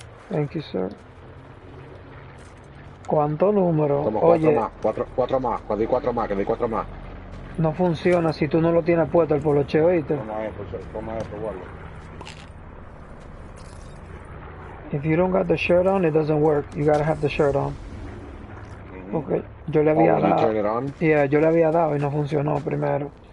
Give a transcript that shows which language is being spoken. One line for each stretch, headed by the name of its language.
English: Thank you, sir.
Spanish: ¿Cuánto número? Somos cuatro. Oye, más, cuatro más, cuatro más. No funciona si tú no lo tienes puesto el poloche, ¿oíste? Toma esto, guarda.
English: If you don't got the shirt on, it doesn't work. You gotta have the shirt on. Okay.
Spanish: Yo le había dado.
English: Turn it on? Yeah,
Spanish: yo le había dado y no funcionó primero.